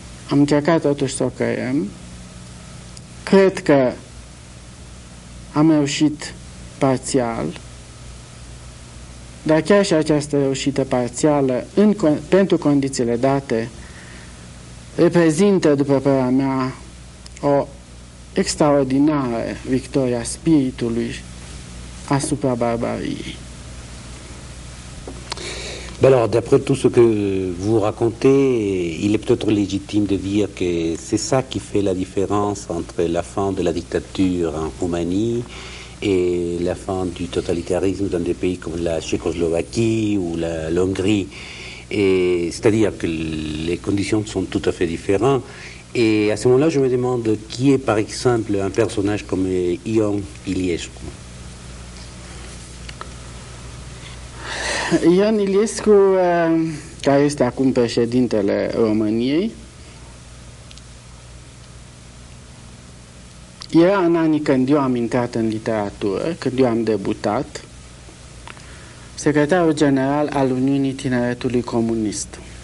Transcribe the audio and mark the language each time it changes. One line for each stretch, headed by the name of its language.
Romanian: Am încercat totuși să o creăm. Cred că am reușit parțial, dar chiar și această reușită parțială pentru condițiile date reprezintă, după părerea mea, o extraordinară victoria spiritului asupra barbariei.
French: Ben alors, d'après tout ce que vous racontez, il est peut-être légitime de dire que c'est ça qui fait la différence entre la fin de la dictature en Roumanie et la fin du totalitarisme dans des pays comme la Tchécoslovaquie ou l'Hongrie. Et c'est-à-dire que les conditions sont tout à fait différentes. Et à ce moment-là, je me demande qui est, par exemple, un personnage comme Ion Iliescu.
Romanian: Ion Iliescu, care este acum președintele României, era în anii când eu am intrat în literatură, când eu am debutat, secretarul general al Uniunii Tineretului Comunist.